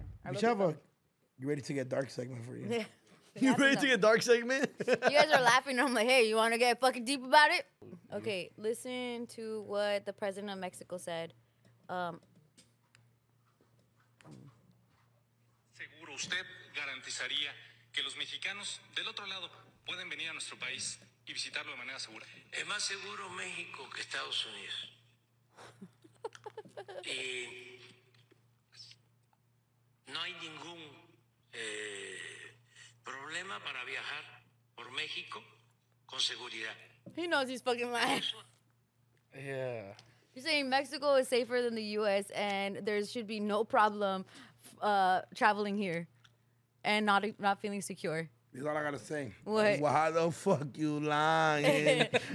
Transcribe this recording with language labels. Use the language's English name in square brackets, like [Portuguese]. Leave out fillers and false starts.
[English] We should have a You Ready to Get Dark segment for you. Yeah. You ready to get dark segment? You guys are laughing. I'm like, hey, you want to get fucking deep about it? Okay, listen to what the president of Mexico said. [Spanish] Seguro usted garantizaría que los mexicanos del otro lado pueden venir a nuestro país y visitarlo de manera segura. Es más seguro México que Estados Unidos. No hay ningún problema para viajar por México con seguridad. [English] He knows he's fucking lying. Yeah. You're saying Mexico is safer than the U.S. and there should be no problem traveling here and not feeling secure. That's all I gotta say. What? Why the fuck you lying?